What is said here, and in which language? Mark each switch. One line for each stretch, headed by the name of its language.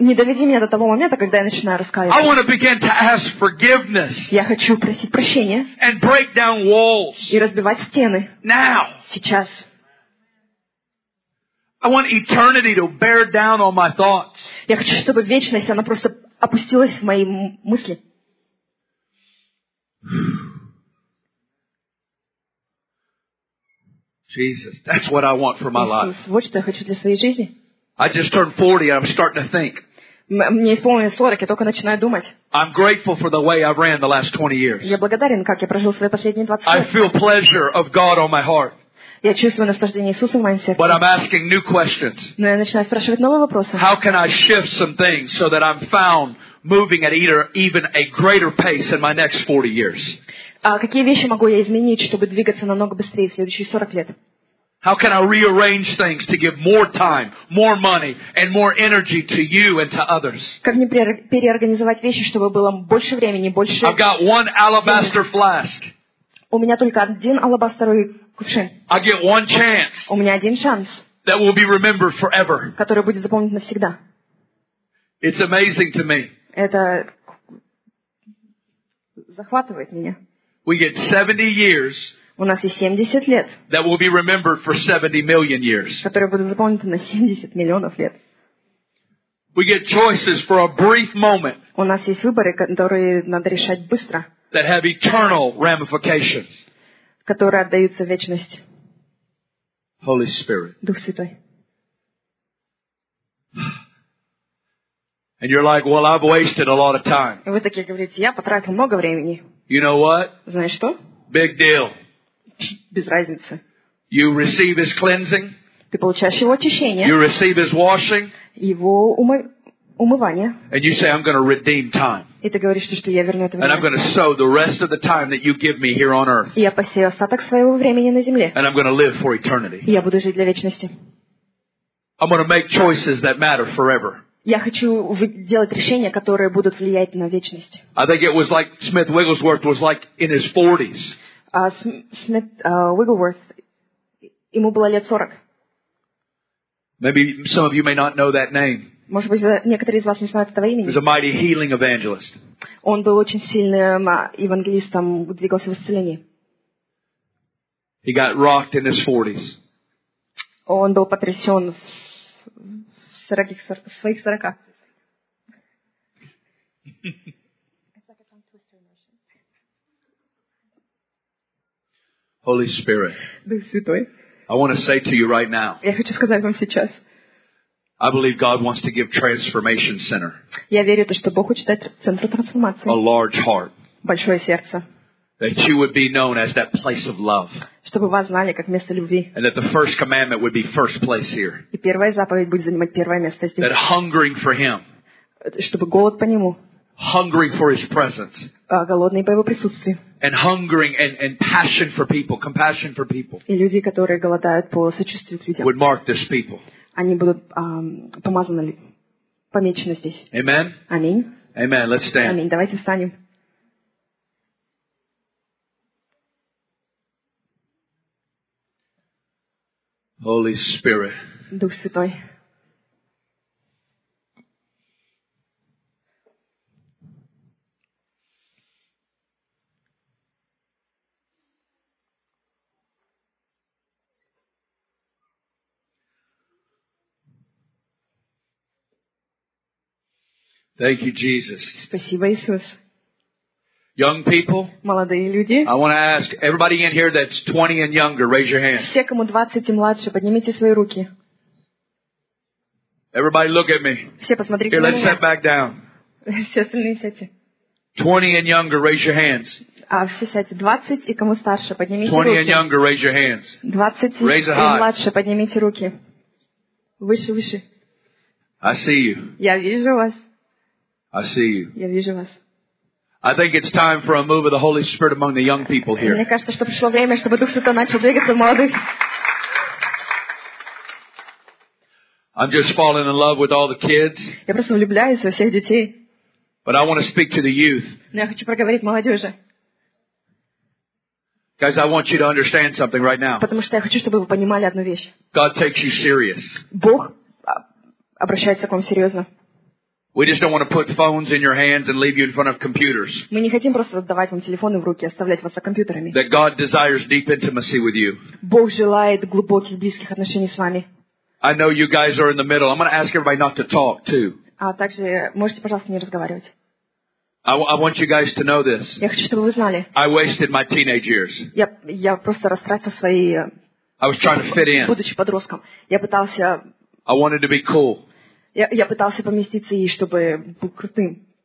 Russian: Не доведи меня до того момента, когда я начинаю раскаиваться.
English: I want to begin to ask forgiveness.
Russian: Я хочу просить прощения.
English: And break down walls.
Russian: И разбивать стены.
English: Now.
Russian: Сейчас.
English: I want eternity to bear down on my thoughts.
Russian: Я хочу, чтобы вечность она просто опустилась в мои мысли.
English: Jesus, that's what I want for my life.
Russian: Вот что я хочу для своей жизни.
English: I just turned 40, I'm starting to think.
Russian: Мне исполнилось 40, я только начинаю думать.
English: I'm grateful for the way I ran the last 20 years.
Russian: Я благодарен, как я прожил свои последние 20 лет.
English: I feel pleasure of God on my heart.
Russian: Я чувствую наслаждение Иисуса в моем сердце.
English: But I'm asking new questions.
Russian: Но я начинаю спрашивать новые вопросы.
English: How can I shift some things so that I'm found moving at even a greater pace in my next 40 years?
Russian: Какие вещи могу я изменить, чтобы двигаться намного быстрее в следующие 40 лет?
English: How can I rearrange things to give more time, more money, and more energy to you and to others?
Russian: Как мне переорганизовать вещи, чтобы было больше времени, больше?
English: I've got one alabaster flask.
Russian: У меня только один алабастровый кувшин.
English: I get one chance.
Russian: У меня один шанс.
English: That will be remembered forever.
Russian: Который будет запомнить навсегда.
English: It's amazing to me.
Russian: Это захватывает меня.
English: We get 70 years.
Russian: У нас есть 70 лет.
English: That will be remembered for 70 million years.
Russian: Которые будут запомнены на 70 миллионов лет.
English: We get choices for a brief moment.
Russian: У нас есть выборы, которые надо решать быстро.
English: That have eternal ramifications.
Russian: Которые отдаются в вечность.
English: Holy Spirit.
Russian: Дух Святой.
English: And you're like, well, I've wasted a lot of time.
Russian: Вы такие говорите, я потратил много времени.
English: You know what?
Russian: Знаешь что?
English: Big deal.
Russian: Без разницы.
English: You receive His cleansing.
Russian: Ты получаешь Его очищение.
English: You receive His washing.
Russian: Его умывание.
English: And you say, I'm going to redeem time.
Russian: И ты говоришь, что я верну это время.
English: And I'm going to sow the rest of the time that you give me here on earth.
Russian: И я посею остаток своего времени на земле.
English: And I'm going to live for eternity.
Russian: И я буду жить для вечности.
English: I'm going to make choices that matter forever.
Russian: Я хочу делать решения, которые будут влиять на вечность.
English: I think it was like Smith Wigglesworth was like in his 40s.
Russian: Smith Wigglesworth, ему было лет 40.
English: Maybe some of you may not know that name.
Russian: Может быть, некоторые из вас не знают этого имени.
English: He was a mighty healing evangelist.
Russian: Он был очень сильным евангелистом, двигался в исцелении.
English: He got rocked in his 40s.
Russian: Он был потрясен в своих 40.
English: Holy Spirit.
Russian: Дух Святой.
English: I want to say to you right now.
Russian: Я хочу сказать вам сейчас.
English: I believe God wants to give Transformation Center.
Russian: Я верю, то, что Бог хочет дать центру трансформации.
English: A large heart.
Russian: Большое сердце.
English: That you would be known as that place of love.
Russian: Чтобы вас знали как место любви.
English: And that the first commandment would be first place here.
Russian: И первая заповедь будет занимать первое место здесь.
English: That hungering for Him.
Russian: Чтобы голод по Нему.
English: Hungering for His presence.
Russian: Голодные по Его присутствию.
English: And hungering and passion for people, compassion for people.
Russian: И люди, которые голодают по сочувствию к людям.
English: Would mark this people.
Russian: Они будут помазаны, помечены здесь.
English: Amen.
Russian: Аминь.
English: Amen. Let's stand.
Russian: Аминь. Давайте встанем.
English: Holy Spirit.
Russian: Дух Святой.
English: Thank you, Jesus.
Russian: Спасибо, Иисус.
English: Young people.
Russian: Молодые люди.
English: I want to ask everybody in here that's 20 and younger, raise your hand.
Russian: Все, кому 20 и младше, поднимите свои руки.
English: Everybody, look at me.
Russian: Все, посмотрите на меня.
English: Here, let's sit back down.
Russian: Все остальные сядьте.
English: 20 and younger, raise your hands.
Russian: все сядьте. 20 и кому старше, поднимите руки.
English: 20 and younger, raise your hands.
Russian: 20 и младше, поднимите руки. Выше, выше.
English: I see you.
Russian: Я вижу вас.
English: I see you.
Russian: Я вижу вас.
English: I think it's time for a move of the Holy Spirit among the young people here.
Russian: Мне кажется, что пришло время, чтобы Дух Святой начал двигаться в молодых.
English: I'm just falling in love with all the kids.
Russian: Я просто влюбляюсь во всех детей.
English: But I want to speak to the youth.
Russian: Но я хочу проговорить молодежи.
English: Guys, I want you to understand something right now.
Russian: Потому что я хочу, чтобы вы понимали одну вещь.
English: God takes you serious.
Russian: Бог обращается к вам серьезно.
English: We just don't want to put phones in your hands and leave you in front of computers.
Russian: Мы не хотим просто отдавать вам телефоны в руки, оставлять вас за компьютерами.
English: That God desires deep intimacy with you.
Russian: Бог желает глубоких близких отношений с вами.
English: I know you guys are in the middle. I'm going to ask everybody not to talk too.
Russian: А также можете, пожалуйста, не разговаривать.
English: I want you guys to know this.
Russian: Я хочу, чтобы вы знали.
English: I wasted my teenage years.
Russian: Я просто растратил свои.
English: I was trying to fit in.
Russian: Будучи подростком, я пытался.
English: I wanted to be cool.
Russian: Я пытался поместиться и чтобы быть крутым.